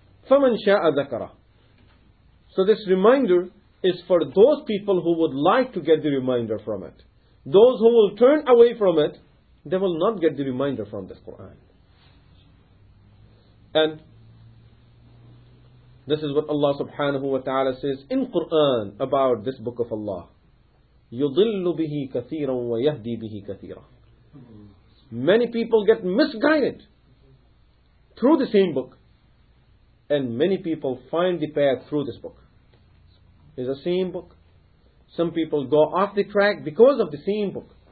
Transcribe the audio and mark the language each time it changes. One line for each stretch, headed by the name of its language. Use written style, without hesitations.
Arabic: فَمَنْ شَاءَ ذَكَرَهُ.
English: So this reminder is for those people who would like to get the reminder from it. Those who will turn away from it, they will not get the reminder from this Quran. And this is what Allah subhanahu wa ta'ala says in Quran about this book of Allah.
Arabic: يُضِلُّ بِهِ كَثِيرًا وَيَهْدِي بِهِ كَثِيرًا.
English: Many people get misguided through the same book. And many people find the path through this book. It's the same book. Some people go off the track because of the same book.